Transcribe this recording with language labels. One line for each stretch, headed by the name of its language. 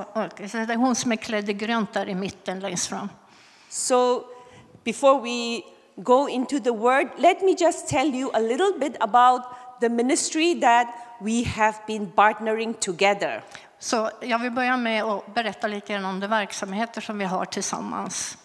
Swedish: Okay, så det är hon som är klädd i grönt där i mitten längst fram.
English: So before we go into the word, let me just tell you a little bit about the ministry that we have been partnering together.
Swedish: Så jag vill börja med att berätta lite grann om de verksamheter som vi har tillsammans.